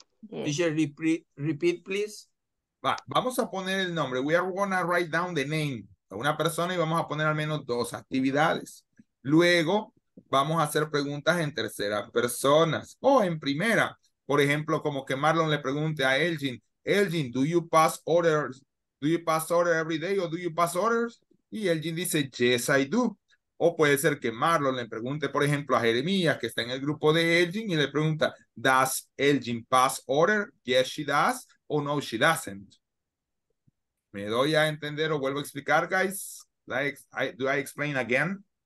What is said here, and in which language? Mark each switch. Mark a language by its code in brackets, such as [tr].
[en] Teacher, repeat, please. [es] Va, vamos a poner el nombre. [en] We are going to write down the name [es] a una persona y vamos a poner al menos dos actividades. Luego, vamos a hacer preguntas en tercera persona o en primera. Por ejemplo, como que Marlon le pregunte a Elgin, Elgin, [en] do you pass orders? Do you pass orders every day or do you pass orders? [es] Y Elgin dice, [en] yes, I do. [es] O puede ser que Marlon le pregunte, por ejemplo, a Jeremías, que está en el grupo de Elgin, y le pregunta, [en] does Elgin pass order? Yes, she does. Or no, she doesn't. [es] ¿Me doy a entender o vuelvo a explicar, guys? [en] Do I explain again?